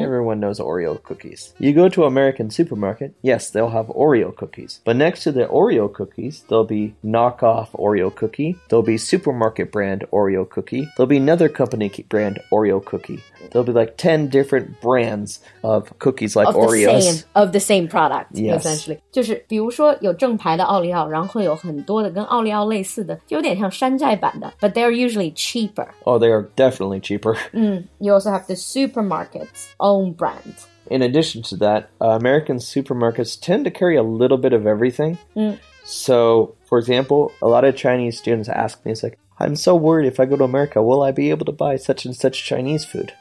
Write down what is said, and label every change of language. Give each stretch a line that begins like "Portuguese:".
English: Everyone knows Oreo cookies. You go to an American supermarket, yes, they'll have Oreo cookies. But next to the Oreo cookies, there'll be knockoff Oreo cookie. There'll be supermarket brand Oreo cookie. There'll be another company brand Oreo cookie. There'll be like 10 different brands of cookies like Oreos. Of the same product, yes. Essentially.
Chinese: 就是比如说有正牌的奥利奥，然后有很多的跟奥利奥类似的，就有点像山寨版的。
English: But they're usually cheaper. Oh, they are definitely cheaper. You also have the supermarket's own brand. In addition to that, American supermarkets tend to carry a little bit of everything. So, for example, a lot of Chinese students ask me, it's like,I'm so worried if I go to America, will I be able to buy such and such Chinese food?